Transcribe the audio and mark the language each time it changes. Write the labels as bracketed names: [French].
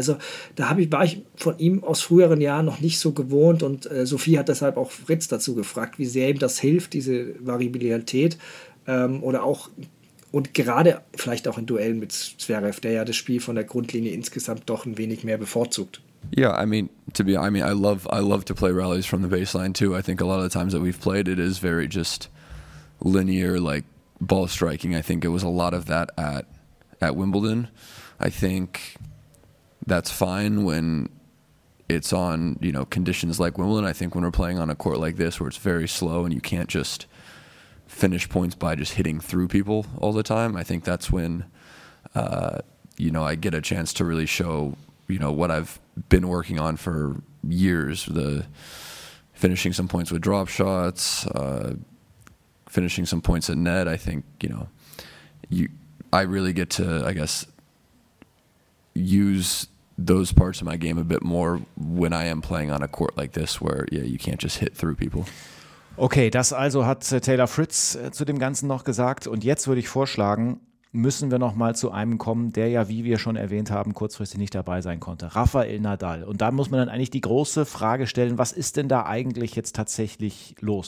[German] Also da war ich von ihm aus früheren Jahren noch nicht so gewohnt, und Sophie hat deshalb auch Fritz dazu gefragt, wie sehr ihm das hilft, diese Variabilität, oder auch... Und gerade vielleicht auch in Duellen mit Zverev, der ja das Spiel von der Grundlinie insgesamt doch ein wenig mehr bevorzugt. [English] Yeah, I love to play rallies from the baseline too. I think a lot of the times that we've played, it is very just linear, like ball striking. I think it was a lot of that at Wimbledon. I think that's fine when it's on, you know, conditions like Wimbledon. I think when we're playing on a court like this where it's very slow and you can't just finish points by just hitting through people all the time, I think that's when you know, I get a chance to really show, you know, what I've been working on for years, the finishing some points with drop shots, finishing some points at net. I think, you know, I really get to, I guess, use those parts of my game a bit more when I am playing on a court like this where, yeah, you can't just hit through people. [German] Okay, das also hat Taylor Fritz zu dem Ganzen noch gesagt. Und jetzt würde ich vorschlagen, müssen wir noch mal zu einem kommen, der ja, wie wir schon erwähnt haben, kurzfristig nicht dabei sein konnte. Rafael Nadal. Und da muss man dann eigentlich die große Frage stellen, was ist denn da eigentlich jetzt tatsächlich los?